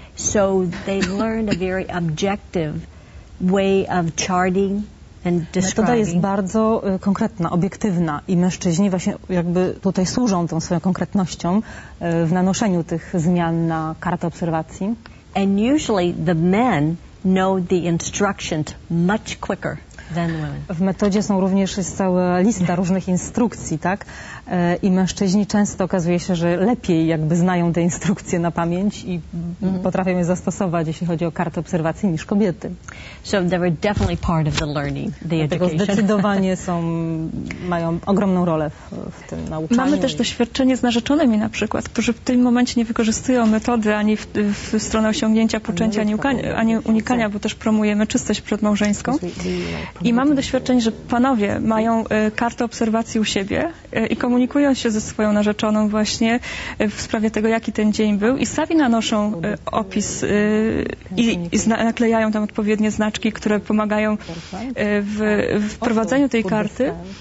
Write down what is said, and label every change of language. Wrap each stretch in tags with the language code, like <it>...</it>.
<en>So they learn a very objective way of charting and describing.</en> <pl>Metoda jest bardzo konkretna, obiektywna i mężczyźni właśnie jakby tutaj służą tą swoją konkretnością w nanoszeniu tych zmian na kartę obserwacji.</pl> <en>And usually the men know the instructions much quicker than women.</en> <pl>W metodzie są również cała lista różnych instrukcji, tak? I mężczyźni często okazuje się, że lepiej jakby znają te instrukcje na pamięć i potrafią je zastosować, jeśli chodzi o kartę obserwacji, niż kobiety.</pl> <en>So they were definitely part of the learning, the education.</en> <pl>Dlatego zdecydowanie mają ogromną rolę w tym nauczaniu. Mamy też doświadczenie z narzeczonymi na przykład, którzy w tym momencie nie wykorzystują metody ani w stronę osiągnięcia poczęcia, ani unikania, bo też promujemy czystość przedmałżeńską. I mamy doświadczenie, że panowie mają kartę obserwacji u siebie i komunikują się ze swoją narzeczoną właśnie w sprawie tego, jaki ten dzień był, i sami nanoszą opis naklejają tam odpowiednie znaczki, które pomagają w wprowadzeniu tej karty.</pl>